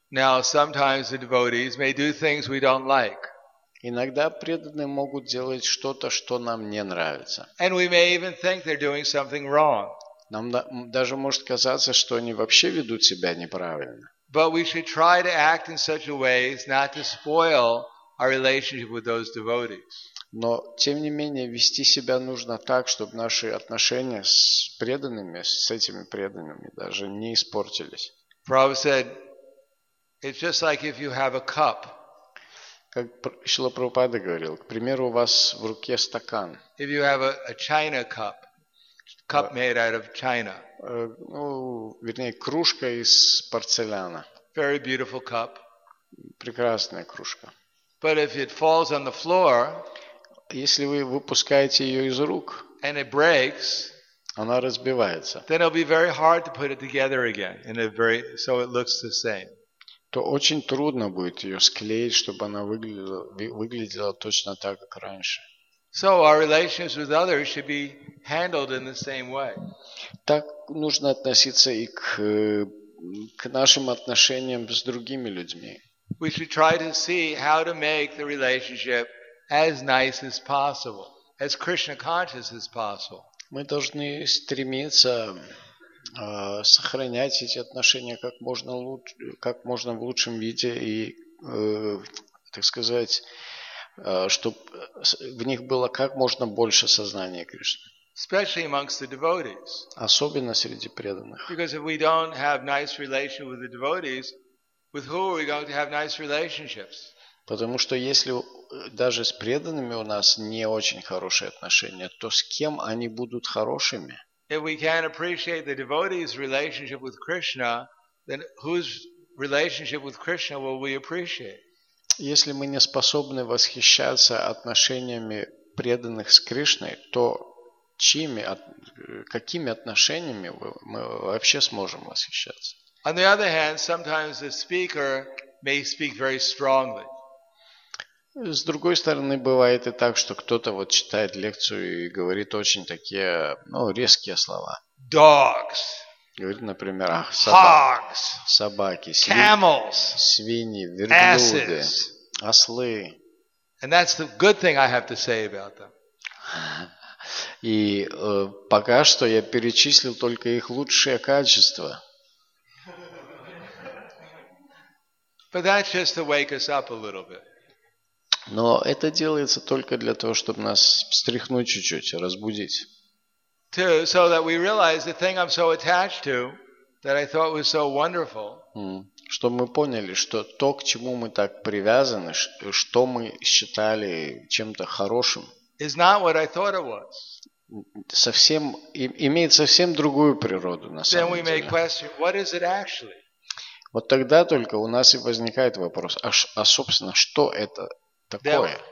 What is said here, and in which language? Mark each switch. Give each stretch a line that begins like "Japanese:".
English: Now, sometimes the devotees may do things we don't like.
Russian: Иногда преданные могут делать что-то, что нам не нравится.
English: And we may even think they're doing something wrong.
Russian: Нам даже может казаться, что они вообще ведут себя неправильно.
English: But we should try to act in such a way as not to spoil our relationship with those devotees.
Russian: Но тем не менее вести себя нужно так, чтобы наши отношения с преданными, с этими преданными даже не испортились.
English: Prabhupada said, it's just like if you have a cup.
Russian: Как Шрила Прабхупада говорил, к примеру, у вас в руке стакан.
English: If you have a china cup made out of china.
Russian: Ну, вернее, кружка из порцеляна.
English: Very beautiful cup.
Russian: Прекрасная кружка.
English: But if it falls on the floor,
Russian: если вы выпускаете ее из рук,
English: and it breaks,
Russian: она разбивается.
English: Then it'll be very hard to put it together again, so it looks the same.
Russian: То очень трудно будет ее склеить, чтобы она выглядела точно так, как раньше.
English: So our relationships with others should be handled in the same way.
Russian: Так нужно относиться и к нашим отношениям с другими людьми.
English: We should try to see how to make the relationship as nice as possible, as Krishna conscious as possible.
Russian: Мы должны стремиться сохранять эти отношения как можно в лучшем виде и, так сказать, чтобы в них было как можно больше сознания Кришны.
English: Especially amongst the devotees.
Russian: Особенно среди преданных.
English: Because if we don't have nice relationship with the devotees, with who are we going to have nice relationships?
Russian: Потому что если даже с преданными у нас не очень хорошие отношения, то с кем они будут хорошими?
English: If we can't appreciate the devotee's relationship with Krishna, then whose relationship with Krishna will we appreciate?
Russian: Если мы не способны восхищаться отношениями преданных с Кришной, то какими отношениями мы вообще сможем восхищаться?
English: On the other hand, sometimes the speaker may speak very strongly.
Russian: С другой стороны, бывает и так, что кто-то вот читает лекцию и говорит очень такие, ну, резкие слова.
English: Dogs.
Russian: Говорит, например,
English: hogs.
Russian: Собаки.
English: Camels.
Russian: Свиньи. Верблюды.
English: Asses.
Russian: Ослы.
English: And that's the good thing I have to say about them.
Russian: И пока что я перечислил только их лучшие качества.
English: But that's just to wake us up a little bit.
Russian: Но это делается только для того, чтобы нас встряхнуть чуть-чуть, разбудить.
English: So that we realize the thing I'm so attached to, that I thought was so wonderful.
Russian: Чтобы мы поняли, что то, к чему мы так привязаны, что мы считали чем-то хорошим,
English: is not what I thought it was.
Russian: Совсем, имеет совсем другую природу на самом деле.
English: Then we may question, what is it actually?
Russian: Вот тогда только у нас и возникает вопрос, а собственно, что это такое?